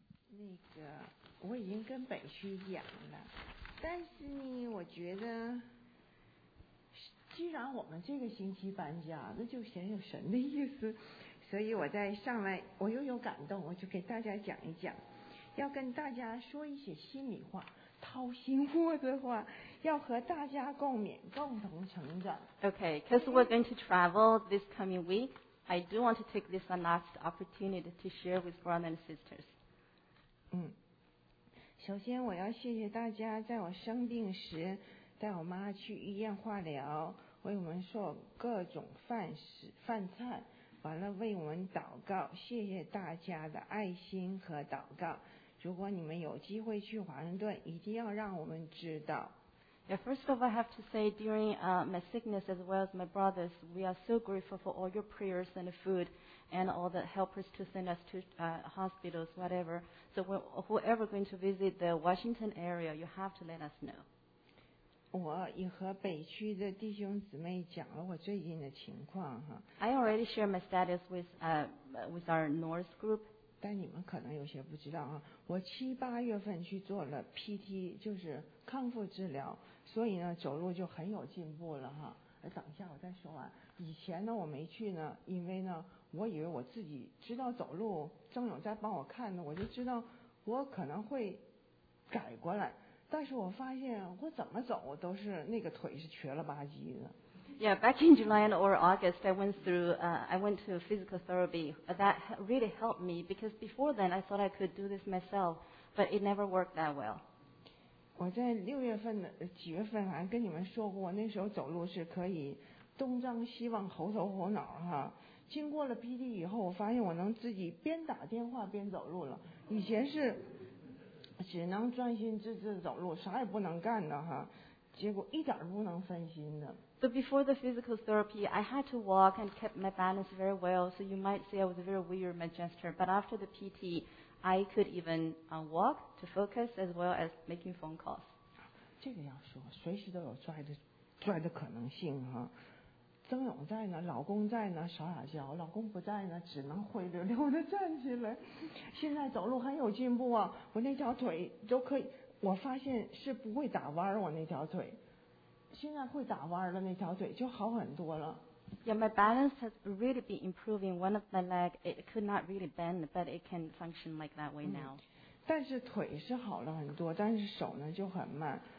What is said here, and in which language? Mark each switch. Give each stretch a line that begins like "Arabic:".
Chinese: 那个我已经跟北区讲了，但是呢，我觉得既然我们这个星期搬家，那就显有神的意思，所以我在上来我又有感动，我就给大家讲一讲，要跟大家说一些心里话，掏心窝子话，要和大家共勉，共同成长。
English: Okay, because we're going to travel this coming week, I do want to take this last opportunity to share with brothers and sisters.
Chinese: 首先我要谢谢大家在我生病时带我妈去医院化疗为我们做各种饭菜完了为我们祷告谢谢大家的爱心和祷告如果你们有机会去华盛顿一定要让我们知道
English: yeah, First of all I have to say during my sickness as well as my brothers we are so grateful for all your prayers and foodand all the helpers to send us to hospitals, whatever. So whoever going to visit the Washington area, you have to let us know.
Chinese: 我也和北区的弟兄姊妹讲了我最近的情况哈。
English: I already share my status with our North group.
Chinese: 但你们可能有些不知道啊，我七八月份去做了 PT， 就是康复治疗，所以呢走路就很有进步了哈。等一下我再说完。以前呢我没去呢，因为呢我以为我自己知道走路，郑勇在帮我看呢，我就知道我可能会改过来。但是我发现我怎么走都是那个腿是瘸了吧唧的。
English: Yeah, back in July or August, I went through, I went to physical therapy. That really helped me because before then I thought I could do this myself, but it never worked that well.
Chinese: 我在六月份几月份好像跟你们说过，那时候走路是可以东张西望，猴头猴脑哈。经过了 PT 以后，我发现我能自己边打电话边走路了。以前是只能专心致志走路，啥也不能干的哈，结果一点都不能分心的。
English: So before the physical therapy, I had to walk and kept my balance very well. So you might say I was a very weird my gesture, but after the PT, I could even walk to focus as well as making phone calls.
Chinese: 这个要说，随时都有拽的可能性哈。曾勇在呢，老公在呢，耍耍娇；老公不在呢，只能灰溜溜的站起来。现在走路很有进步啊，我那条腿都可以，我发现是不会打弯儿，我那条腿现在会打弯儿了，那条腿就好很多了。
English: Yeah, my balance has really been improving. One of my leg it could not really bend, but it can function like that way now.、
Chinese: 嗯、但是腿是好了很多，但是手呢就很慢。